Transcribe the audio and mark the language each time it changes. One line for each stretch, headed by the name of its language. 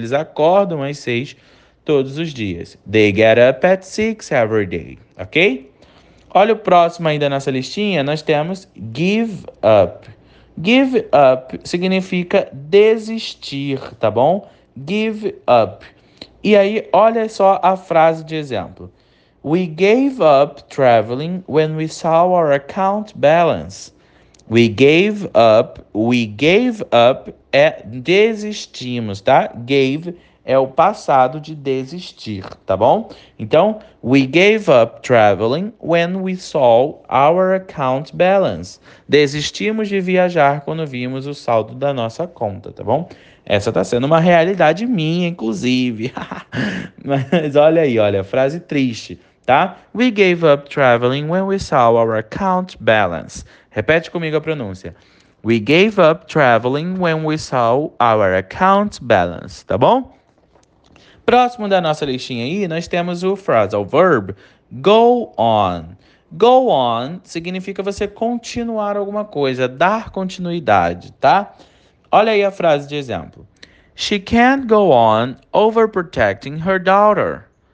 Portuguese: Eles acordam às 6 todos os dias.
English: They get up at 6 every day, ok?
Portuguese: Olha o próximo aí da nossa listinha. Nós temos give up. Give up significa desistir, tá bom? Give up. E aí, olha só a frase de exemplo.
English: We gave up traveling when we saw our account balance. We gave up
Portuguese: é desistimos, tá? Gave é o passado de desistir, tá bom? Então,
English: we gave up traveling when we saw our account balance.
Portuguese: Desistimos de viajar quando vimos o saldo da nossa conta, tá bom? Essa tá sendo uma realidade minha, inclusive. Mas olha aí, olha, frase triste, tá?
English: We gave up traveling when we saw our account balance.
Portuguese: Repete comigo a pronúncia.
English: We gave up traveling when we saw our account balance,
Portuguese: tá bom? Próximo da nossa listinha aí, nós temos o phrasal verb go on. Go on significa você continuar alguma coisa, dar continuidade, tá? Olha aí a frase de exemplo.
English: She can't go on overprotecting her daughter.